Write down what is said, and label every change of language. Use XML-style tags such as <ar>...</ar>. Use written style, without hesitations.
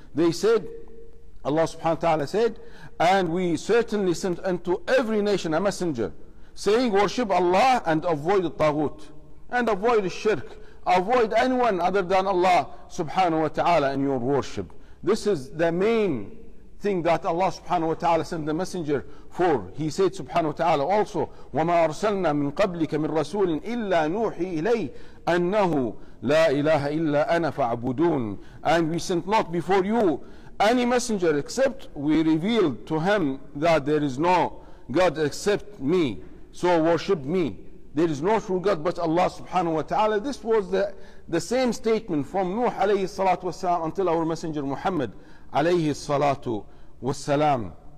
<en>They said, Allah subhanahu wa ta'ala said, and we certainly sent unto every nation a messenger, saying, worship Allah and avoid the taghut, and avoid the shirk, avoid anyone other than Allah subhanahu wa ta'ala in your worship. This is the main thing that Allah subhanahu wa ta'ala sent the messenger for. He said subhanahu wa ta'ala also,</en> <ar>وَمَا أَرْسَلْنَا مِنْ قَبْلِكَ مِنْ رَسُولٍ إِلَّا نُوحِي إِلَيْهِ أَنَّهُ لَا إِلَهَ إِلَّا أَنَا فَعْبُدُونَ.</ar> <en>And we sent not before you any messenger except we revealed to him that there is no God except me, so worship me. There is no true God but Allah subhanahu wa ta'ala. This was the same statement from Nuh alayhi salatu wassalam until our messenger Muhammad alayhi salatu wassalam.</en>